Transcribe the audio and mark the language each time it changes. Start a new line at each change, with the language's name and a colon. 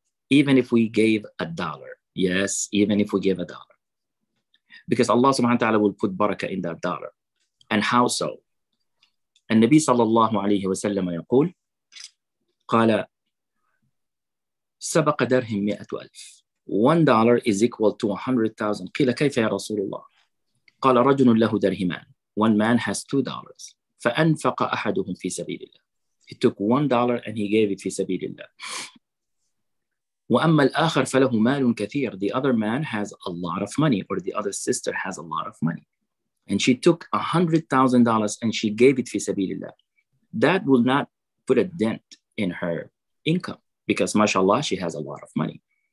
English: Even if we gave a dollar. Yes, even if we gave a dollar. Because Allah subhanahu wa ta'ala will put barakah in that dollar. And how so? And Nabi sallallahu alayhi wa sallam
Arabic: yaqul, qala, سبق درهم 100,000.
English: $1 is equal to 100,000.
Arabic: قيل كيف يا رسول الله؟ قال رجل له درهمان.
English: One man has $2.
Arabic: فأنفق أحدهم في سبيل الله.
English: He took $1 and he gave it
Arabic: في سبيل الله. وأما الآخر فله مال كثير.
English: The other man has a lot of money, or the other sister has a lot of money. And she took $100,000 and she gave it
Arabic: في سبيل الله.
English: That will not put a dent in her income, because mashallah, she has a lot of money.